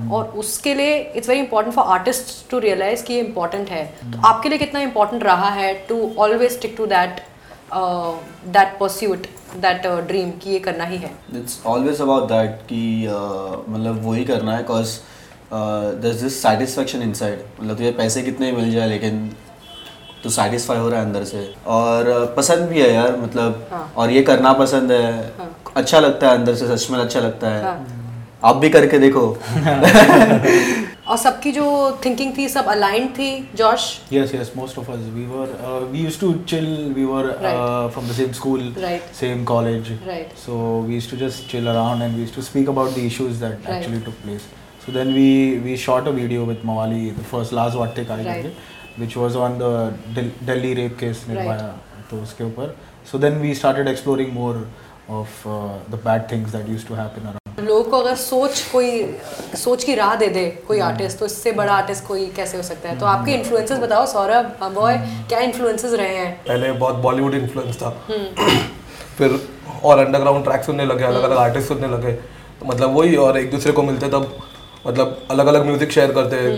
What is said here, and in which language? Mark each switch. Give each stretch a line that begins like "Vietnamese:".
Hindi: और उसके लिए
English: it's very important for artist to realize
Hindi: कि ये इम्पॉर्टेंट है. तो आपके लिए कितना इम्पॉर्टेंट रहा है
English: to always stick to that that pursuit, that dream
Hindi: कि ये करना ही है.
English: it's always about that
Hindi: कि मतलब वही करना है.
English: There's this satisfaction inside.
Hindi: मतलब तुझे पैसे कितने मिल जाए लेकिन तू सेटिस्फाई हो रहा है अंदर से और पसंद भी है यार मतलब. हाँ. और ये करना पसंद है. हाँ. अच्छा लगता है अंदर से, सच में अच्छा लगता है. हाँ. आप भी करके देखो. और सबकी जो थिंकिंग थी सब अलाइंड थी Josh.
English: Yes yes, most of us we used to chill. We were from the same school, same college, so we used to just chill around and we used to speak about the issues that actually took place. So then we shot a video with Mawali, the first last what take I right. did, which was on the Delhi rape case Nirbhaya. Right. So then we started exploring more of the bad things that used to happen around.
Hindi: लोगों को अगर सोच की राह दे दे कोई artist, तो इससे बड़ा आर्टिस्ट कोई कैसे हो सकता है. तो आपके इन्फ्लुएंसेस बताओ सौरभ, बॉय, क्या इन्फ्लुएंसेस रहे हैं. पहले बहुत बॉलीवुड इन्फ्लुएंस था. फिर और अंडरग्राउंड ट्रैक सुनने लगे, अलग अलग आर्टिस्ट सुनने लगे. तो मतलब वही और एक दूसरे को मिलते तब मतलब अलग अलग म्यूजिक शेयर करते हैं.